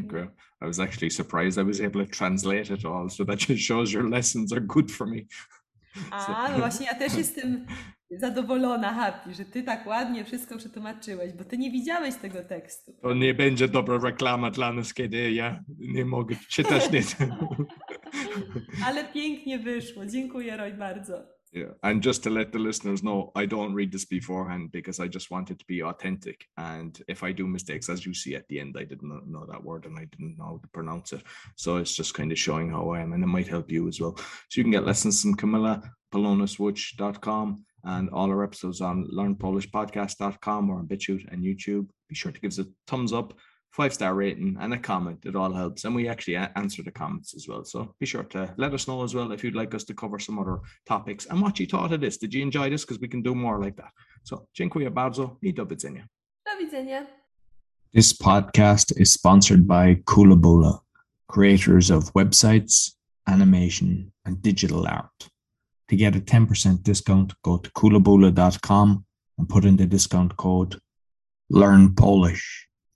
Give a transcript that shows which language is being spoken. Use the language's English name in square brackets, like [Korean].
[Polish] Dziękuję. [English] I was actually surprised I was able to translate it all, so that just shows your lessons are good for me. [Polish] No właśnie, ja też jestem zadowolona, [English] happy, [Polish] że ty tak ładnie wszystko przetłumaczyłeś, bo ty nie widziałeś tego tekstu. To nie będzie dobra reklama dla nas, kiedy ja nie mogę czytać nic. Ale pięknie wyszło. Dziękuję, Roy, bardzo. [English] Yeah, and just to let the listeners know, I don't read this beforehand because I just want it to be authentic. And if I do mistakes, as you see at the end, I didn't know that word and I didn't know how to pronounce it. So it's just kind of showing how I am, and it might help you as well. So you can get lessons from Camilla, PolonaSwitch.com, and all our episodes on LearnPolishPodcast.com or on BitChute and YouTube. Be sure to give us a thumbs up, 5-star rating, and a comment. It all helps. And we actually answer the comments as well. So be sure to let us know as well if you'd like us to cover some other topics and what you thought of this. Did you enjoy this? Because we can do more like that. [Polish] So dziękuję bardzo i do widzenia. Do widzenia. [English] This podcast is sponsored by Coolabola, creators of websites, animation, and digital art. To get a 10% discount, go to coolabola.com and put in the discount code LearnPolish.